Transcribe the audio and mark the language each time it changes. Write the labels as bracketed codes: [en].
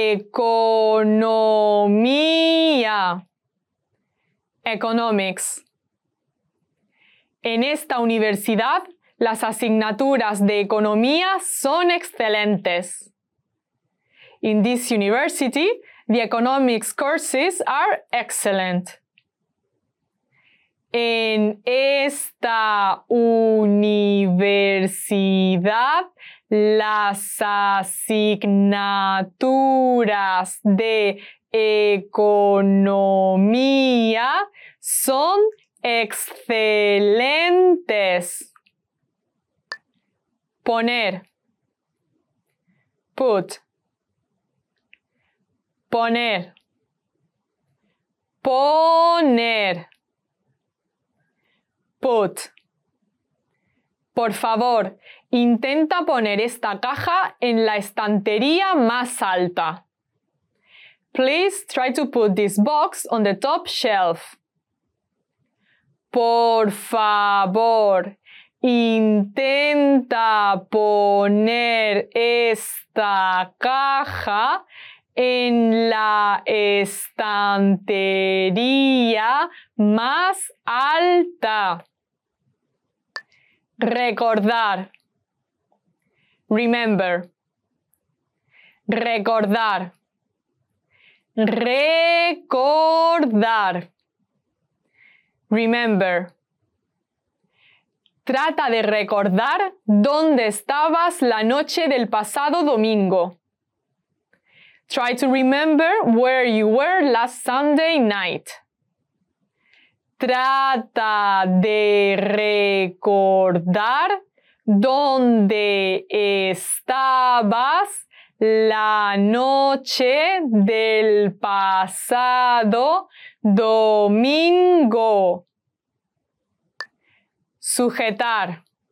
[es] Economía. Economics. En esta universidad, las asignaturas de economía son excelentes. [en] In this university, the economics courses are excellent. [es] En esta universidad, las asignaturas de economía son excelentes. Poner. Put. Poner. Poner. [en] Put. [es] Por favor, intenta poner esta caja en la estantería más alta. [en] Please try to put this box on the top shelf. [es] Por favor, intenta poner esta caja en la estantería más alta. Recordar. Remember. Recordar. Recordar. Remember. Trata de recordar dónde estabas la noche del pasado domingo. [en] Try to remember where you were last Sunday night. [es] Trata de recordar dónde estabas la noche del pasado domingo. Sujetar.